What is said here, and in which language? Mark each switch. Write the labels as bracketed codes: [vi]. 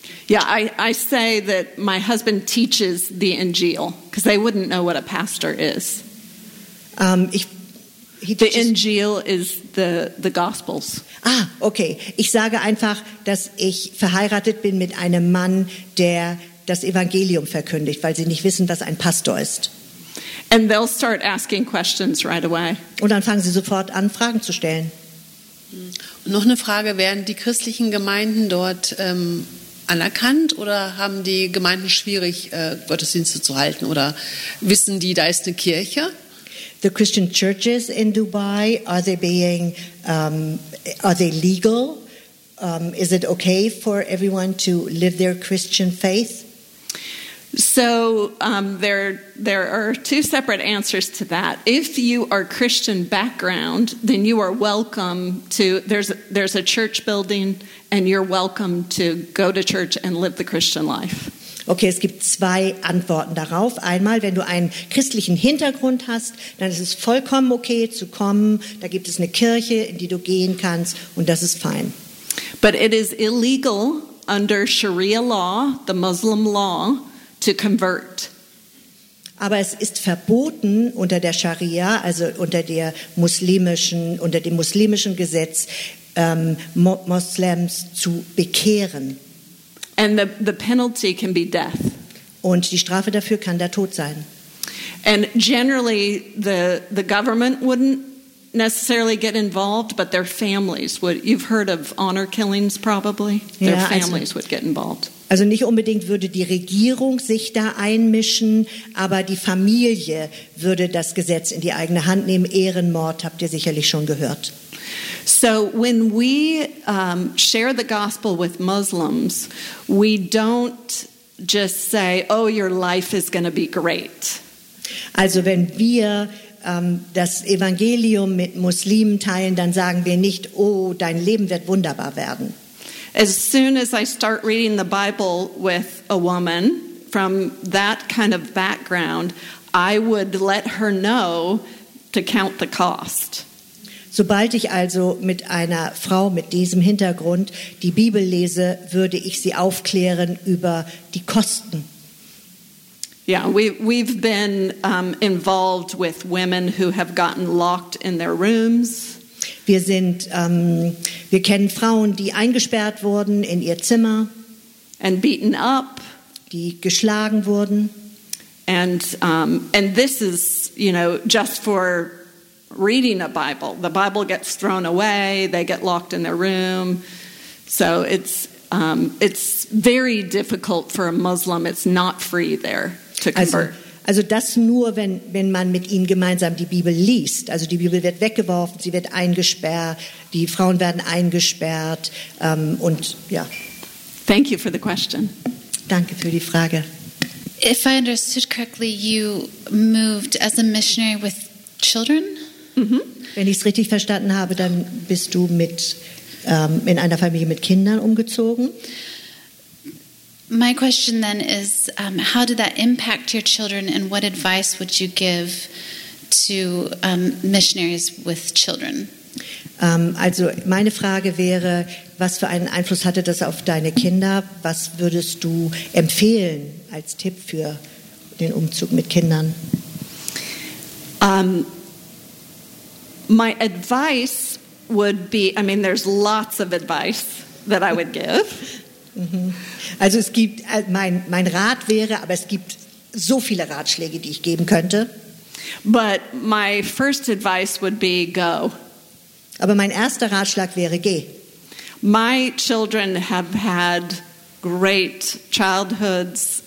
[en] Yeah, I say that my husband teaches the Injil, because they wouldn't know what a pastor is. The Injil is the Gospels. Ah, okay. [de] Ich sage einfach, dass ich verheiratet bin mit einem Mann, der das Evangelium verkündigt, weil sie nicht wissen, was ein Pastor ist. [en] And they'll start asking questions right away. [de] Und dann fangen sie sofort an, Fragen zu stellen. Und noch eine Frage, werden die christlichen Gemeinden dort anerkannt oder haben die Gemeinden schwierig, Gottesdienste zu halten? Oder wissen die, da ist eine Kirche? [en] The Christian churches in Dubai, are they being, are they legal? Is it okay for everyone to live their Christian faith? So there are two separate answers to that. If you are Christian background, then you are welcome to, there's a church building and you're welcome to go to church and live the Christian life. [de] Okay, es gibt zwei Antworten darauf. Einmal, wenn du einen christlichen Hintergrund hast, dann ist es vollkommen okay zu kommen. Da gibt es eine Kirche, in die du gehen kannst und das ist fein. [en] But it is illegal under Sharia law, the Muslim law, to convert. [de] Aber es ist verboten unter der Scharia, also unter der muslimischen, unter dem muslimischen Gesetz, Moslems zu bekehren. [en] And the penalty can be death. [de] Und die Strafe dafür kann der Tod sein. [en] And generally the government wouldn't necessarily get involved, but their families would. You've heard of honor killings probably. Their families would get involved. [de] Also nicht unbedingt würde die Regierung sich da einmischen, aber die Familie würde das Gesetz in die eigene Hand nehmen. Ehrenmord habt ihr sicherlich schon gehört. [en] So when we share the gospel with Muslims, we don't just say, oh, your life is going to be great. [de] Also wenn wir das Evangelium mit Muslimen teilen, dann sagen wir nicht, oh, dein Leben wird wunderbar werden. [en] As soon as I start reading the Bible with a woman from that kind of background, I would let her know to count the cost. [de] Sobald ich also mit einer Frau mit diesem Hintergrund die Bibel lese, würde ich sie aufklären über die Kosten. [en] Yeah, we've been involved with women who have gotten locked in their rooms. [de] Wir sind, wir kennen Frauen, die eingesperrt wurden in ihr Zimmer. [en] And beaten up. [de] Die geschlagen wurden. [en] And this is, you know, just for reading a Bible. The Bible gets thrown away, they get locked in their room. So it's very difficult for a Muslim, it's not free there to convert. [de] Also das nur, wenn man mit ihnen gemeinsam die Bibel liest. Also die Bibel wird weggeworfen, sie wird eingesperrt, die Frauen werden eingesperrt und ja. [en] Thank you for the question. [de] Danke für die Frage. [en] If I understood correctly, you moved as a missionary with children? Mm-hmm. [de] Wenn ich es richtig verstanden habe, dann bist du mit in einer Familie mit Kindern umgezogen. [en] My question then is, how did that impact your children and what advice would you give to missionaries with children? [de] Also meine Frage wäre, was für einen Einfluss hatte das auf deine Kinder? Was würdest du empfehlen als Tipp für den Umzug mit Kindern? [en] My advice would be, I mean, there's lots of advice that I would give. [de] Also es gibt, mein Rat wäre, aber es gibt so viele Ratschläge, die ich geben könnte. [en] But my first advice would be go. [de] Aber mein erster Ratschlag wäre, geh. [en] My children have had great childhoods.